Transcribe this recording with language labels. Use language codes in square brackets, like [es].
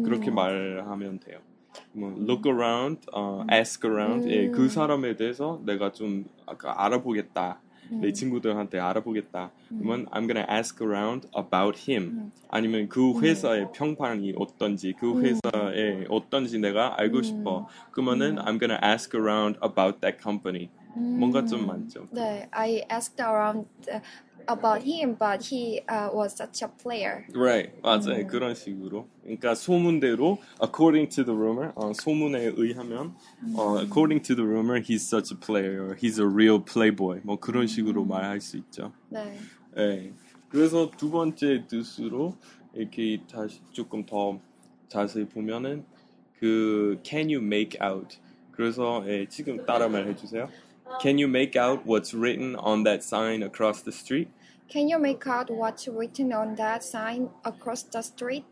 [ko] 그렇게 말하면 돼요. 뭐, [en] look around, ask around. [ko] 예, 그 사람에 대해서 내가 좀 아까 알아보겠다. 내 친구들한테 알아보겠다. 그러면 [en] I'm gonna ask around about him. [ko] 아니면 그 회사의 평판이 어떤지, 그 회사의 어떤지 내가 알고 싶어. 그러면은 [en] I'm gonna ask around about that company. [ko] 뭔가 좀 많죠. [en] 네, I asked around about him, but he was such a player. Right, [ko] 맞아요. 그런 식으로. 그러니까 소문대로, [en] according to the rumor, [ko] 소문에 의하면, [en] according to the rumor, he's such a player, or he's a real playboy. [ko] 뭐 그런 식으로 말할 수 있죠. 네. 네. 그래서 두 번째 뜻으로 이렇게 다시 조금 더 자세히 보면은 그 [en] can you make out? [ko] 그래서 예, 지금 따라말 해주세요. [en] Can you make out what's written on that sign across the street? Can you make out what's written on that sign across the street?